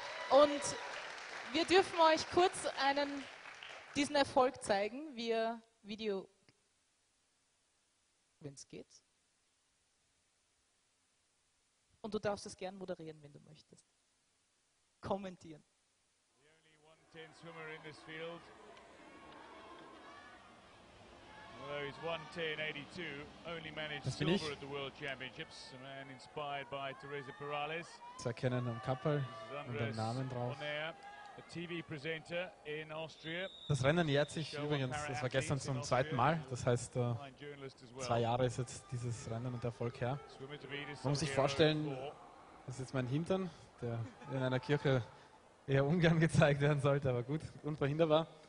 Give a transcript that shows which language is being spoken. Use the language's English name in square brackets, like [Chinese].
[German] Und wir dürfen euch kurz diesen Erfolg zeigen, via Video, wenn es geht. Und du darfst es gern moderieren, wenn du möchtest. Kommentieren. [English] The only 110 swimmer in this field. Although he's 110.82, only managed silver at the World Championships. A man inspired by Teresa Perales. [German] Zu erkennen am Kappel und dem Namen drauf. [English] A TV presenter in Austria. [German] Das Rennen jährt sich übrigens, das war gestern zum zweiten Mal, das heißt, 2 Jahre ist jetzt dieses Rennen und der Erfolg her. Man muss sich vorstellen, das ist jetzt mein Hintern, der in einer Kirche eher ungern gezeigt werden sollte, aber gut, unverhinderbar.